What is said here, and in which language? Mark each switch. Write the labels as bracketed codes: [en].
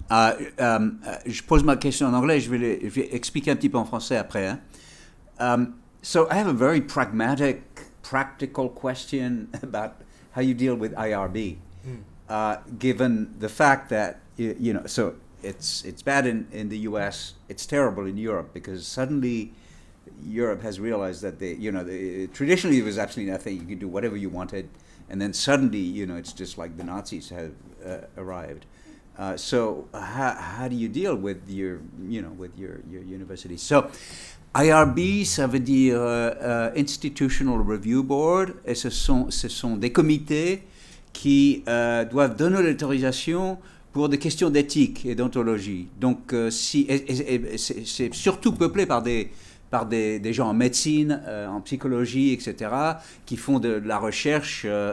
[fr] Je pose ma question en anglais, je vais expliquer un petit peu en français après. Hein. [en] So I have a very pragmatic, practical question about how you deal with IRB, given the fact that, you know, so it's bad in the U.S., it's terrible in Europe, because suddenly Europe has realized that, traditionally it was absolutely nothing, you could do whatever you wanted, and then suddenly, you know, it's just like the Nazis have arrived. So how do you deal with your, you know, with your university? [fr] So IRB, ça veut dire Institutional Review Board, et ce sont des comités qui doivent donner l'autorisation pour des questions d'éthique et d'ontologie. Donc c'est surtout peuplé par des gens en médecine, en psychologie, etc., qui font de la recherche.